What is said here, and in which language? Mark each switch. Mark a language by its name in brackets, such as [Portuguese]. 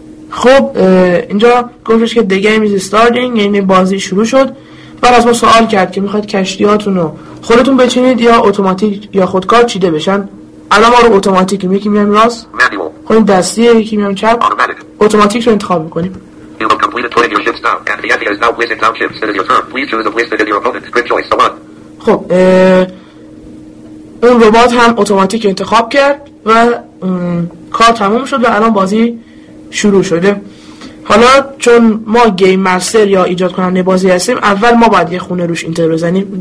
[Persian] خب اینجا گفتش که [English] the game is starting، [Persian] یعنی بازی شروع شد. بعد از ما سوال کرد که میخواد کشتیاتونو خودتون بچینید یا اتوماتیک یا خودکار چیده بشن. الان ما رو اتوماتیک، یکی میام راست، خب این دستیه، یکی میام چپ، اتوماتیک رو انتخاب میکنیم. [English] You have completed 20 of your ships now and the idea is now placing down ships. It is your turn. Please choose a place that is your opponent's grid choice. So on. [Persian] خب اون ربات هم اتوماتیک انتخاب کرد و کار تموم شد و الان بازی شروع شده. حالا چون ما گیم مستر یا ایجاد کننده بازی هستیم، اول ما باید یه خونه روش اینتر بزنیم.